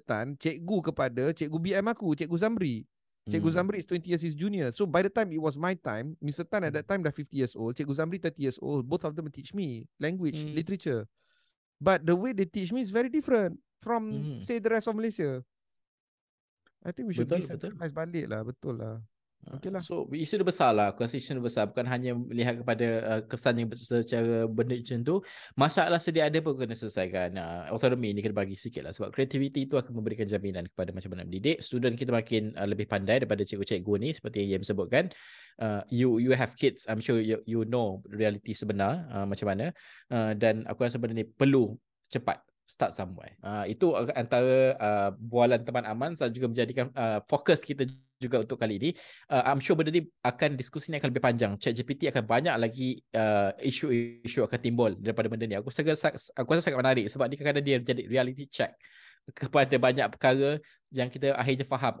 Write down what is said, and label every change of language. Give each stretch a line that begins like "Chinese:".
Malay: Tan, cikgu kepada cikgu BM aku, cikgu Zamri.
English: Cikgu Zamri is 20 years his junior. So by the time it was my time, Mr. Tan at that time dah 50 years old. Cikgu Zamri 30 years old. Both of them teach me language, literature. But the way they teach me is very different from say the rest of Malaysia. I think we should
Malay: betul,
English: be centralized
Malay: balik lah. Betul lah. Okay lah. So isu dia besar lah. Conversation dia besar. Bukan hanya melihat kepada kesan yang secara benda macam tu. Masalah sedia ada pun kena selesaikan. Autonomy ni kena bagi sikit lah. Sebab creativity tu akan memberikan jaminan kepada macam mana mendidik. Student kita makin lebih pandai daripada cikgu-cikgu ni. Seperti yang Yem sebutkan.
English: You have kids. I'm sure you know reality
Malay: sebenar macam mana. Dan aku rasa benda ni perlu cepat.
English: Start somewhere.
Malay: Itu antara bualan teman Aman dan juga menjadikan fokus kita juga untuk kali ini.
English: I'm sure
Malay: benda ni akan diskusi ni akan lebih panjang. ChatGPT akan banyak lagi isu-isu akan timbul daripada benda ni. Aku rasa sangat menarik sebab dia jadi reality check kepada banyak perkara yang kita akhirnya faham.